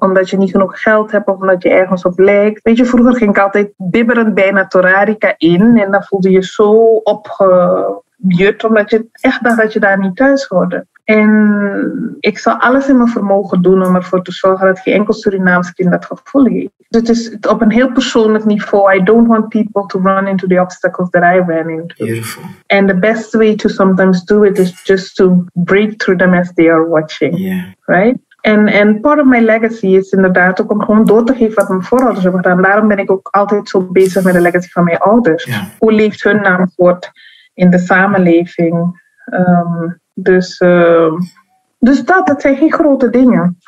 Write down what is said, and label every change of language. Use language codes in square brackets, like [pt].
[nl] Omdat je niet genoeg geld hebt of omdat je ergens op lijkt. Weet je, vroeger ging ik altijd bibberend bijna Torarica in. En dan voelde je zo opgejut omdat je echt dacht dat je daar niet thuis hoorde. En ik zal alles in mijn vermogen doen om ervoor te zorgen dat geen enkel Surinaams kind dat gevoel heeft. Dus het is op een heel persoonlijk niveau. [en] I don't want people to run into the obstacles that I ran into. Beautiful. And the best way to sometimes do it is just to break through them as they are watching. Yeah. Right? [nl] En [en] part of my legacy [nl] is inderdaad ook om gewoon door te geven wat mijn voorouders hebben gedaan. Daarom ben ik ook altijd zo bezig met de legacy van mijn ouders. [en] Yeah. [nl] Hoe leeft hun naam voort in de samenleving? Dus dat zijn geen grote dingen.